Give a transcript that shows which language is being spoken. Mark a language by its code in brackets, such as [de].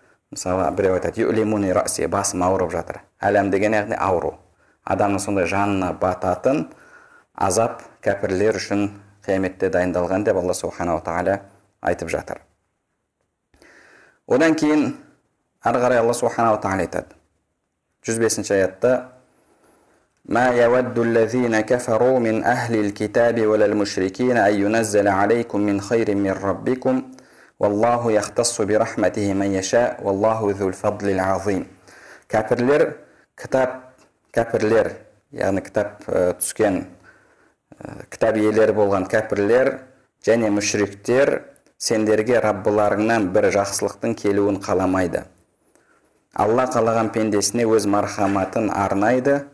[kk] Мысалы, біреу айтады, «Юлимуни расе», басым ауырып жатыр. Әлем деген яғни ауру. Адамның сонда жанына бататын азап кәпірлер үшін қияметте дайындалған деп Алла субханаһу тағала айтып жатыр. Одан кейін әрі қарай Алла субханаһу тағала айтады. 105-ші аятта [ar] ما يود الذين كفروا من أهل الكتاب ولا المشركين أن ينزل عليكم من خير من ربكم والله يختص برحمته من يشاء والله ذو الفضل العظيم. [kk] كافرлер كتاب كافرлер яғни кітап түскен кітап иелері болған кәпірлер және мүшриктер сендерге Раббыларыңнан бір жақсылықтың келуін қаламайды. Алла қалаған пендесіне өз мархаматын арнайды.